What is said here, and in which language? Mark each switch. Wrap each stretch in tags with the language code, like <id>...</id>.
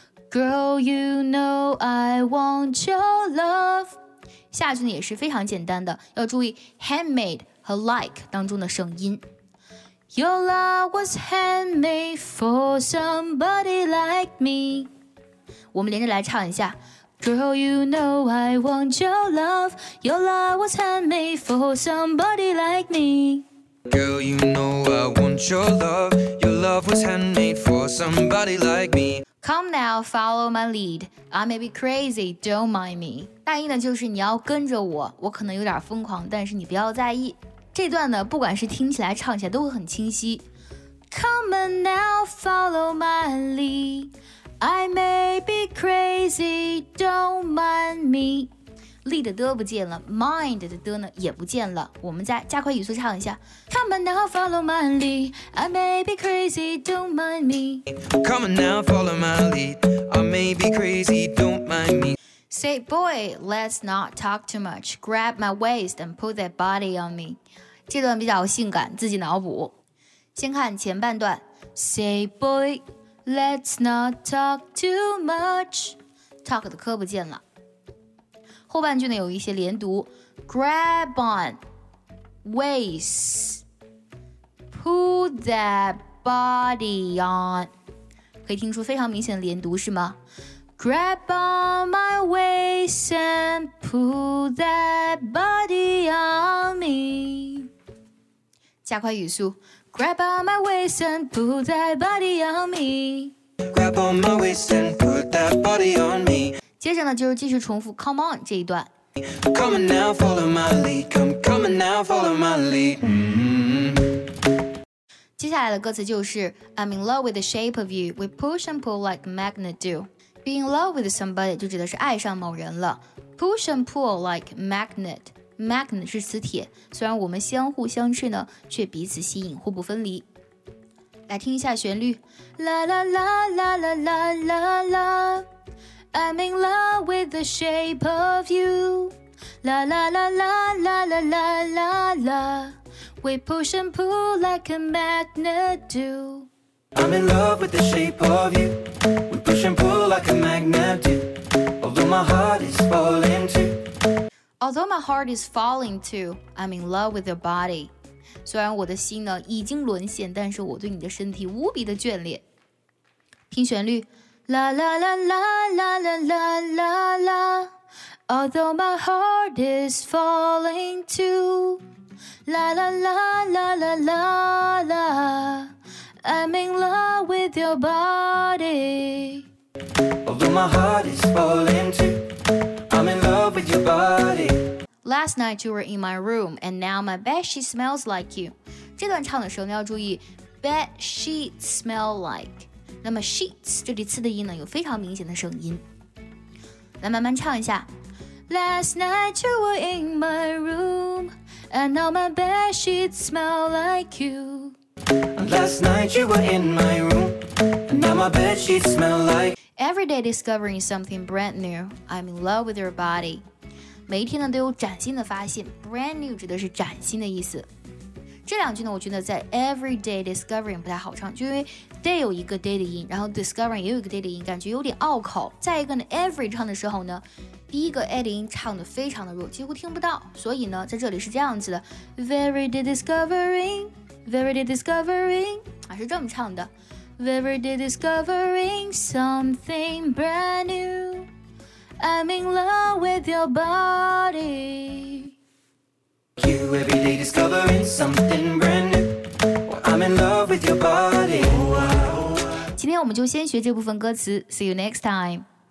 <en>Girl you know I want your love</en> <zh>下句呢也是非常简单的要注意 handmade 和 like 当中的声音</zh> <en>Your love was handmade for somebody like me</en> <zh>我们连着来唱一下</zh> <en>Girl, you know I want your love. Your love was handmade for somebody like me. Girl, you know I want your love. Your love was handmade for somebody like me. Come now, follow my lead. I may be crazy, don't mind me.</en> <zh>大意呢就是你要跟着我，我可能有点疯狂，但是你不要在意。这段呢，不管是听起来、唱起来都会很清晰。</zh> <en>Come now, follow my lead. I may be crazy, don't mind me.</en> <zh>Lead 的不见了 ，mind 的呢也不见了。我们再加快语速唱一下。</zh> <en>Come on now, follow my lead. I may be crazy, don't mind me. Come on now, follow my lead. I may be crazy, don't mind me. Say, boy, let's not talk too much. Grab my waist and put that body on me.</en> <zh>这段比较性感，自己脑补。先看前半段。</zh> <en>Say, boy. Let's not talk too much. Talk</en> <zh>的科不见了。后半句呢有一些连读。</zh> <en>Grab on, waist, pull that body on.</en> <zh>可以听出非常明显的连读是吗</zh> <en>？Grab on my waist and pull that body on me.</en> <zh>加快语速。</zh> <en>Grab on my waist and put that body on me. Grab on my waist and put that body on me.</en> <zh>接着呢，就是继续重复 "Come on" 这一段。</zh> <en>Come on now, follow my lead. Come on now, follow my lead.、Mm-hmm.</en> <zh>接下来的歌词就是</zh> <en>"I'm in love with the shape of you. We push and pull like magnet do." Be in love with somebody</en> <zh>就指的是爱上某人了。</zh> <en>Push and pull like magnet.</en> <zh>Magnet 是磁铁，虽然我们相互相斥呢，却彼此吸引，互不分离。来听一下旋律</zh> <en>，La la la la la la la la, I'm in love with the shape of you. La la la la la la la la la, we push and pull like a magnet do. I'm in love with the shape of you. We push and pull like a magnet do. Although my heart is falling too. Although my heart is falling too, I'm in love with your body.</en> <zh>虽然我的心呢已经沦陷，但是我对你的身体无比的眷恋。听旋律，La la la la la la la la la.</zh> <en>Although my heart is falling too, la la la la la la la. I'm in love with your body. Although my heart is falling too, I'm in love with your body. Last night you were in my room, and now my bed sheet smells like you.</en> <zh>这段唱的时候你要注意</zh> <en>bed sheet smell like.</en> <zh>那么 sheets 这里次的音呢有非常明显的声音。来慢慢唱一下。</zh> <en>Last night you were in my room, and now my bed sheet smell like you. Last night you were in my room, and now my bed sheet smell like. every day discovering something brand new. I'm in love with your body.</en> <zh>每一天呢都有崭新的发现。Brand new 指的是崭新的意思。这两句呢我觉得在 everyday discovering 不太好唱，就因为 day 有一个 day 的音，然后 discovering 也有一个 day 的音，感觉有点拗口。再一个呢 every 唱的时候呢，第一个 a 的音唱得非常的弱，几乎听不到。所以呢在这里是这样子的，</zh> <en>very day discovering，</en> <zh>very day discovering、啊、是这么唱的。</zh> <en>very day discovering something brand new， I'm in love with your body You every day discovering something brand new. I'm in love with your body.</en> <zh>今天我们就先学这部分歌词。</zh> <en>See you next time.</en>